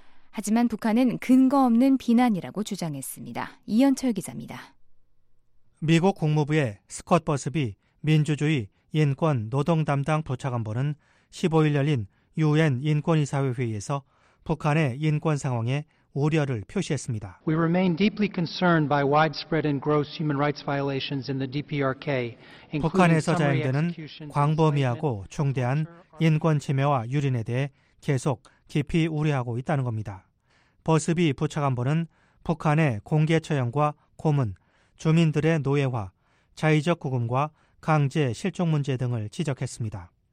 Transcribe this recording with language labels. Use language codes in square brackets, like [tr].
[ko] 하지만 북한은 근거 없는 비난이라고 주장했습니다. 이현철 기자입니다. 미국 국무부의 스콧 버스비 민주주의 인권 노동 담당 부차관보는 15일 열린 유엔 인권이사회 회의에서 북한의 인권 상황에 우려를 표시했습니다. [en] We remain deeply concerned by widespread and gross human rights violations in the DPRK. [ko] 북한에서 자행되는 광범위하고 중대한 인권 침해와 유린에 대해 계속 깊이 우려하고 있다는 겁니다. 버스비 부차관보는 북한의 공개 처형과 고문, 주민들의 노예화, 자의적 구금과 강제 실종 문제 등을 지적했습니다.